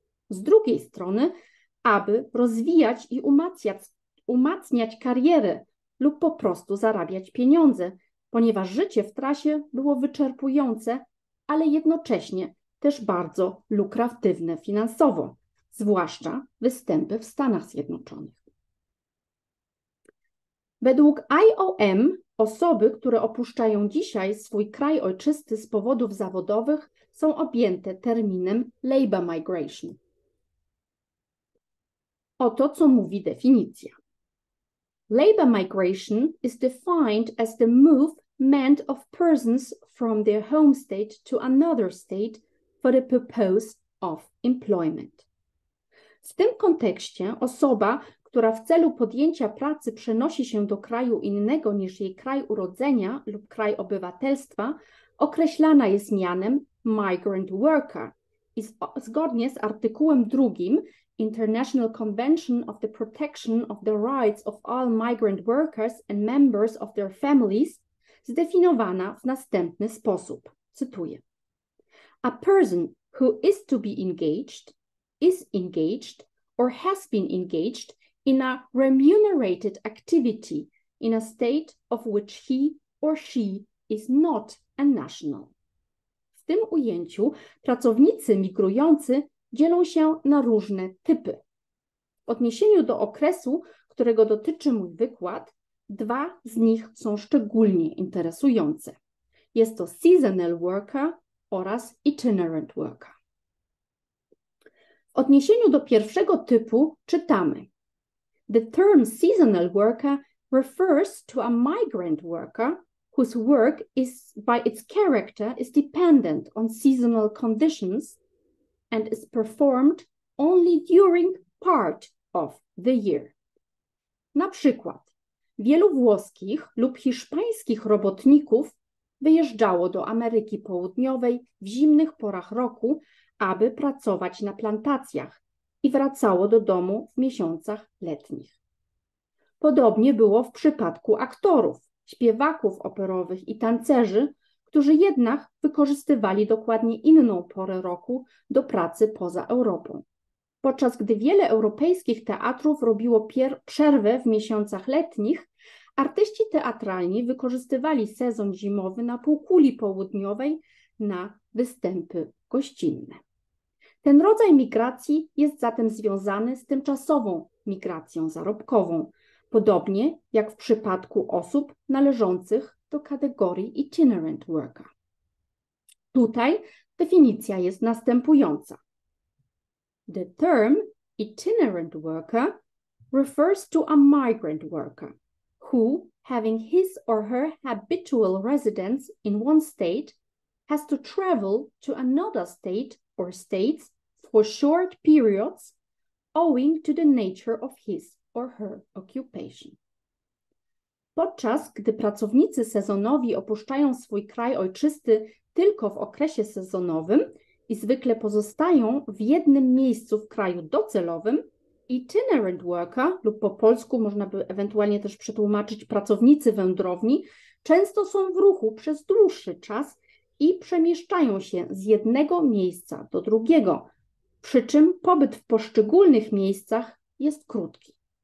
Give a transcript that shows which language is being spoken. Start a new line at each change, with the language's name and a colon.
Polish: Z drugiej strony, aby rozwijać i umacniać karierę lub po prostu zarabiać pieniądze, ponieważ życie w trasie było wyczerpujące, ale jednocześnie też bardzo lukratywne finansowo, zwłaszcza występy w Stanach Zjednoczonych. Według IOM osoby, które opuszczają dzisiaj swój kraj ojczysty z powodów zawodowych, są objęte terminem labor migration. Oto co mówi definicja.
English: Labor migration is defined as the move meant of persons from their home state to another state for the purpose of employment.
Polish: W tym kontekście osoba, która w celu podjęcia pracy przenosi się do kraju innego niż jej kraj urodzenia lub kraj obywatelstwa, określana jest mianem migrant worker i zgodnie z artykułem 2 International Convention of the Protection of the Rights of All Migrant Workers and Members of Their Families zdefiniowana w następny sposób. Cytuję.
English: A person who is to be engaged, is engaged or has been engaged in a remunerated activity in a state of which he or she is not a national.
Polish: W tym ujęciu pracownicy migrujący dzielą się na różne typy. W odniesieniu do okresu, którego dotyczy mój wykład, dwa z nich są szczególnie interesujące. Jest to seasonal worker oraz itinerant worker. W odniesieniu do pierwszego typu czytamy:
English: The term seasonal worker refers to a migrant worker whose work is by its character is dependent on seasonal conditions and is performed only during part of the year.
Polish: Na przykład, wielu włoskich lub hiszpańskich robotników wyjeżdżało do Ameryki Południowej w zimnych porach roku, aby pracować na plantacjach i wracało do domu w miesiącach letnich. Podobnie było w przypadku aktorów, śpiewaków operowych i tancerzy, którzy jednak wykorzystywali dokładnie inną porę roku do pracy poza Europą. Podczas gdy wiele europejskich teatrów robiło przerwę w miesiącach letnich, artyści teatralni wykorzystywali sezon zimowy na półkuli południowej na występy gościnne. Ten rodzaj migracji jest zatem związany z tymczasową migracją zarobkową, podobnie jak w przypadku osób należących do kategorii itinerant worker. Tutaj definicja jest następująca.
English: The term itinerant worker refers to a migrant worker who, having his or her habitual residence in one state, has to travel to another state or states for short periods owing to the nature of his or her occupation.
Polish: Podczas gdy pracownicy sezonowi opuszczają swój kraj ojczysty tylko w okresie sezonowym i zwykle pozostają w jednym miejscu w kraju docelowym, itinerant worker, lub po polsku można by ewentualnie też przetłumaczyć pracownicy wędrowni, często są w ruchu przez dłuższy czas i przemieszczają się z jednego miejsca do drugiego, przy czym pobyt w poszczególnych miejscach jest krótki.